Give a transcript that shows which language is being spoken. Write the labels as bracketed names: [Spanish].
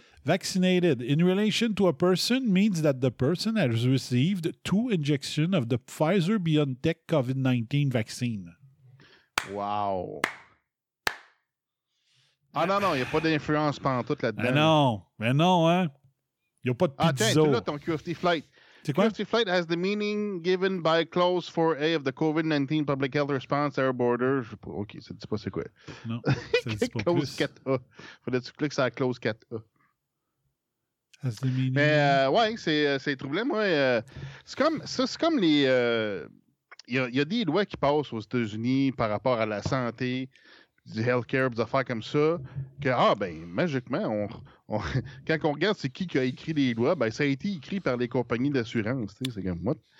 [English] Vaccinated in relation to a person means that the person has received two injections of the Pfizer-BioNTech COVID-19 vaccine. Wow. [French] Ah non, il n'y a pas d'influence pantoute là-dedans. Mais non. Il n'y a pas de pizza. Attends, là, ton QFT flight. C'est quoi? [English] QFT flight has the meaning given by clause 4A of the COVID-19 Public Health Response Air Border. [French] Je sais pas, OK, ça ne dit pas c'est quoi. Non, ça ne dit pas plus. [English] Clause 4A. [French] Faudrait que tu cliques sur la clause 4A. [English] Has the meaning... [French] Mais ouais, c'est troublé, moi. C'est comme les... Il y a des lois qui passent aux États-Unis par rapport à la santé, du healthcare, des affaires comme ça, que, ah, ben, magiquement, quand on regarde c'est qui a écrit les lois, ben, ça a été écrit par les compagnies d'assurance, tu sais, c'est comme, [English] what?